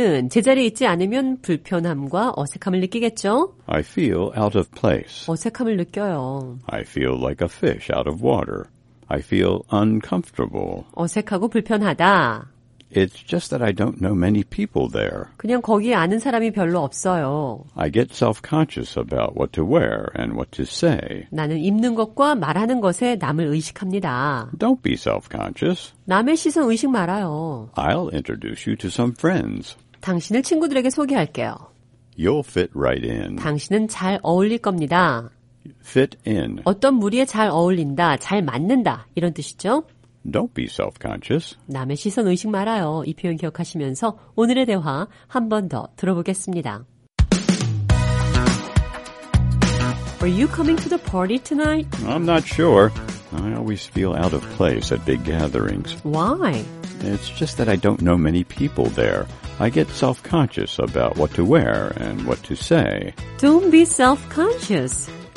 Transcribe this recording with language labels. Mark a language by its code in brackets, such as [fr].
[ko] 제자리에 있지 않으면 불편함과 어색함을 느끼겠죠? [en] I feel out of place. [ko] 어색함을 느껴요. [en] I feel like a fish out of water. I feel uncomfortable. [ko] 어색하고 불편하다. [en] It's just that I don't know many people there. [ko] 그냥 거기 아는 사람이 별로 없어요. [en] I get self-conscious about what to wear and what to say. [ko] 나는 입는 것과 말하는 것에 남을 의식합니다. [en] Don't be self-conscious. [ko] 남의 시선 의식 말아요. [en] I'll introduce you to some friends. [ko] 당신을 친구들에게 소개할게요. [en] You'll fit right in. [ko] 당신은 잘 어울릴 겁니다. [en] Fit in. [ko] 어떤 무리에 잘 어울린다, 잘 맞는다, 이런 뜻이죠. [en] Don't be self-conscious. [ko] 남의 시선 의식 말아요. 이 표현 기억하시면서 오늘의 대화 한 번 더 들어보겠습니다. [en] Are you coming to the party tonight? I'm not sure. I always feel out of place at big gatherings. Why? It's just that I don't know many people there. I get self-conscious about what to wear and what to say. Don't be self-conscious.